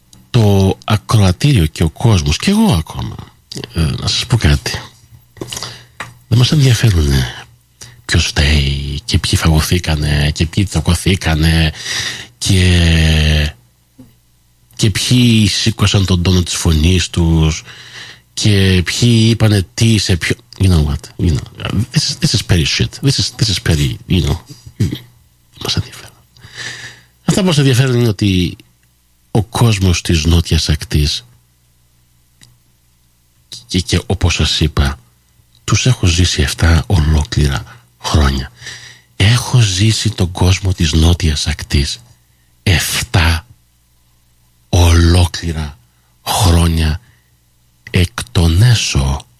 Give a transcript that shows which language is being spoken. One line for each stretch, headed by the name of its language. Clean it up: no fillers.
Greek: Το ακροατήριο και ο κόσμος και εγώ ακόμα, να σας πω κάτι, δεν μας ενδιαφέρουν ποιος φταίει και ποιοι φαγωθήκανε και ποιοι τσακωθήκανε και ποιοι σήκωσαν τον τόνο της φωνής τους και ποιοι είπανε τι σε ποιο.
English: You know what, you know, this is petty shit, this is petty, you know.
Greek: Μας ενδιαφέρουν. Αυτά που μας ενδιαφέρουν είναι ότι ο κόσμος της νότιας ακτής και όπως σας είπα, τους έχω ζήσει 7 ολόκληρα χρόνια. Έχω ζήσει τον κόσμο της νότιας ακτής 7 ολόκληρα χρόνια εκ των έσω.